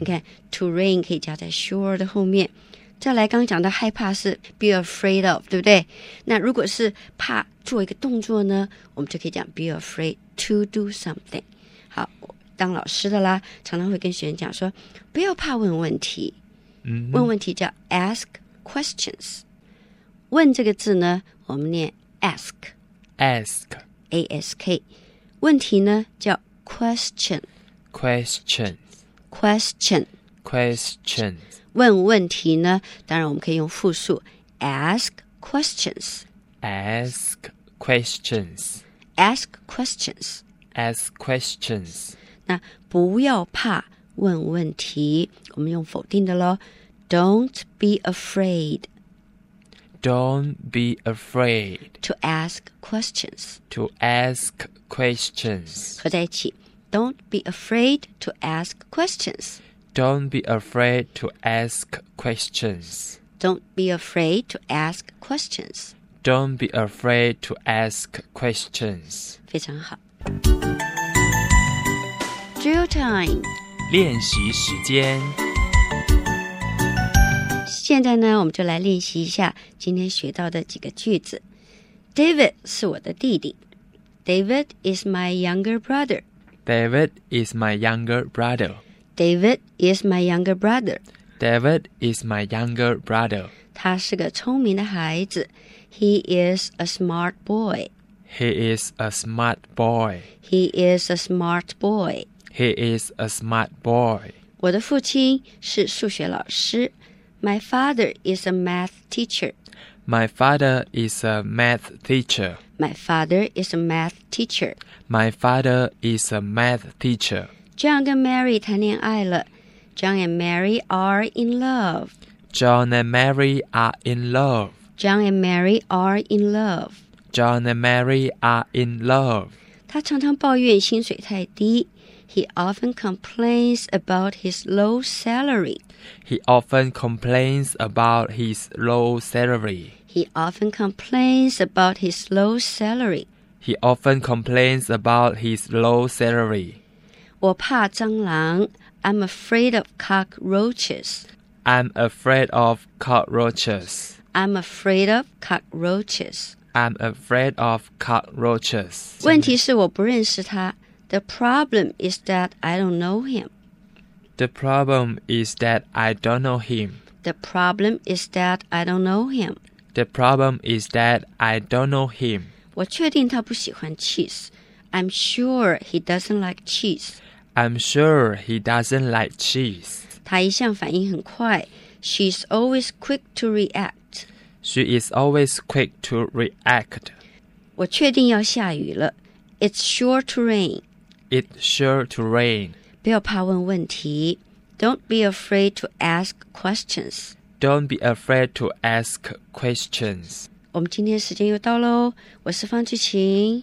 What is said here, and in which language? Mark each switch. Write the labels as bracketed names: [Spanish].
[Chinese] 你看 to rain 可以加在 sure 的后面。再来刚讲的害怕是 [English] be afraid of, [Chinese] 对不对？那如果是怕做一个动作呢，我们就可以讲 [English] be afraid to do something. [Chinese] 好，当老师的啦，常常会跟学生讲说，不要怕问问题。 Mm-hmm. 问问题叫 ask questions. 问这个字呢，我们念 ask. [English] Ask. A-S-K. [Chinese] 问题呢叫 question, [English] question, question, question. [Chinese] 问问题呢，当然我们可以用复数 [English] ask questions, ask questions, ask questions, ask questions. [Chinese] 那不要怕问问题，我们用否定的咯 [English] Don't be afraid. Don't be afraid to ask questions. To ask questions. [Chinese] 合在一起 [English] Don't be afraid to ask questions. Don't be afraid to ask questions. Don't be afraid to ask questions. Don't be afraid to ask questions. [Chinese] 非常好 [English] Drill time. [Chinese] 练习时间现在呢，我们就来练习一下今天学到的几个句子。 David 是我的弟弟。 [English] David is my younger brother. David is my younger brother. David is my younger brother. David is my younger brother. [Chinese] 他是个聪明的孩子。 [English] He is a smart boy. He is a smart boy. He is a smart boy. He is a smart boy. [Chinese] 我的父亲是数学老师。 [English] My father is a math teacher. My father is a math teacher. My father is a math teacher. My father is a math teacher. [Chinese] John 跟 Mary 谈恋爱了。 [English] John and Mary are in love. John and Mary are in love. John and Mary are in love. John and Mary are in love. [Chinese] 他常常抱怨薪水太低。 [English] He often complains about his low salary. He often complains about his low salary. He often complains about his low salary. He often complains about his low salary. [Chinese] 我怕蟑螂 [English] I'm afraid of cockroaches. I'm afraid of cockroaches. I'm afraid of cockroaches. I'm afraid of cockroaches. [Chinese] 问题是我不认识他。 [English] The problem is that I don't know him. The problem is that I don't know him. The problem is that I don't know him. The problem is that I don't know him. [Chinese] 我确定他不喜欢 cheese. [English] I'm sure he doesn't like cheese. I'm sure he doesn't like cheese. [Chinese] 他一向反应很快. [English] She's always quick to react. She is always quick to react. [Chinese] 我确定要下雨了。 [English] It's sure to rain. It's sure to rain. [Chinese] 不要怕问问题。 [English] Don't be afraid to ask questions. Don't be afraid to ask questions. [Chinese] 我们今天时间又到咯。我是方志晴。